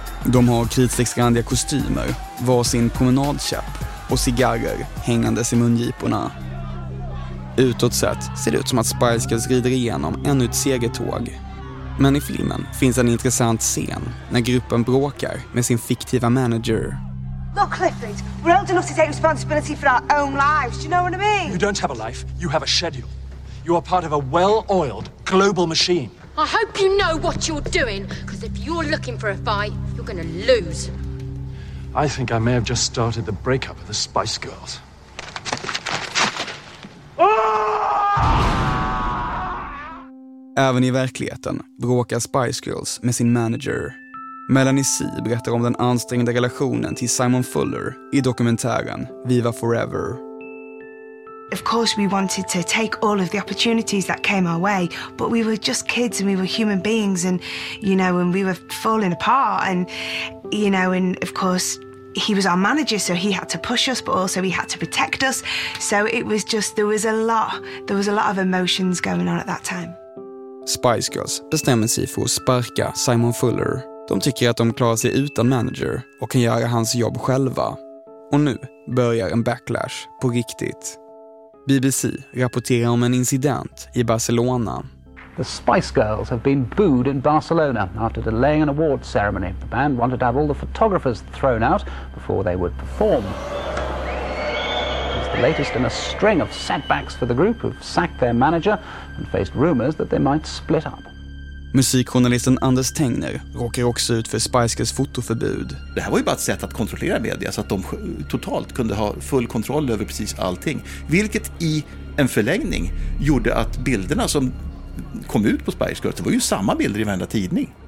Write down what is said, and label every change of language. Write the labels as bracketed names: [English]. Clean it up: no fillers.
[Swedish] De har kritstrecksrandiga kostymer, varsin promenadkäpp och cigarrer hängandes i mungiporna. Utåt sett ser det ut som att Spice Girls rider igenom ännu ett segertåg. Men i filmen finns en intressant scen när gruppen bråkar med sin fiktiva manager. [English] Look, Clifford, we're old enough to take responsibility for our own lives, do you know what I mean? You don't have a life, you have a schedule. You are part of a well-oiled global machine. I hope you know what you're doing, because if you're looking for a fight, you're going to lose. I think I may have just started the breakup of the Spice Girls. [Swedish] Även i verkligheten bråkar Spice Girls med sin manager. Melanie C berättar om den ansträngda relationen till Simon Fuller i dokumentären Viva Forever. [English] Of course we wanted to take all of the opportunities that came our way, but we were just kids and we were human beings and, you know, and we were falling apart and, you know, and of course he was our manager, so he had to push us, but also he had to protect us. So it was just, there was a lot of emotions going on at that time. [Swedish] Spice Girls bestämmer sig för att sparka Simon Fuller. De tycker att de klarar sig utan manager och kan göra hans jobb själva. Och nu börjar en backlash på riktigt. BBC rapporterar om en incident i Barcelona. [English] The Spice Girls have been booed in Barcelona after delaying an awards ceremony. The band wanted to have all the photographers thrown out before they would perform. It's the latest in a string of setbacks for the group who've sacked their manager and faced rumors that they might split up. [Swedish] Musikjournalisten Anders Tengner råkar också ut för Spice Girls fotoförbud. Det här var ju bara ett sätt att kontrollera media så att de totalt kunde ha full kontroll över precis allting. Vilket i en förlängning gjorde att bilderna som kom ut på Spice Girls, det var ju samma bilder i varenda tidning.